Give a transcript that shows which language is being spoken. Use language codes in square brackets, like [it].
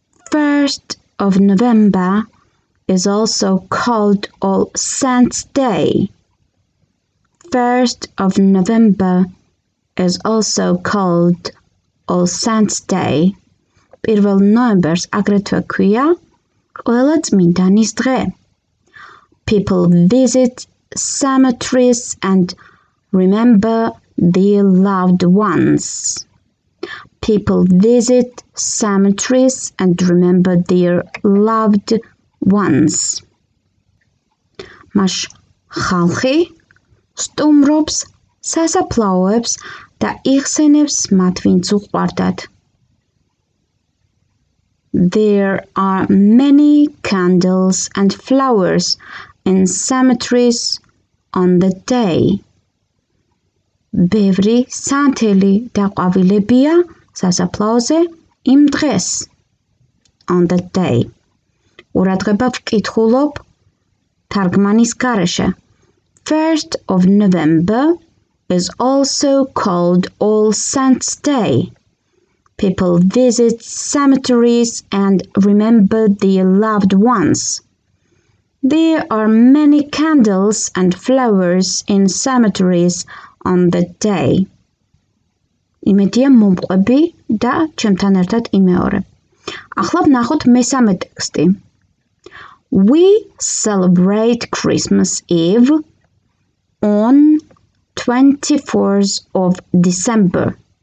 [en] First of November is also called All Saints Day. First of November is also called All Saints Day. [ka] 1 ნოემბერს აგრეთვე ქვია ყველა წმინდანის დღე. [en] People visit cemeteries and remember their loved ones. People visit cemeteries and remember their loved ones. [ka] Маш ხალხი სტუმრობს სასაფლაოებს და იხსენებს მათ, ვინც უყვარდათ. [en] There are many candles and flowers in cemeteries on the day. [ka] Ბევრი სანთელი და ყვავილებია სასაფლაოზე იმ დღეს. [en] On the day. [ka] ურადღება ვკითხულობ თარგმანის გარეშე. [en] 1st of November is also called All Saints Day. People visit cemeteries and remember their loved ones. There are many candles and flowers in cemeteries on the day. [ka] იმედია მომყვები და ჩემთან ერთად იმეორე. ახლა ვნახოთ მესამე ტექსტი. [en] We celebrate Christmas Eve on 24th of December.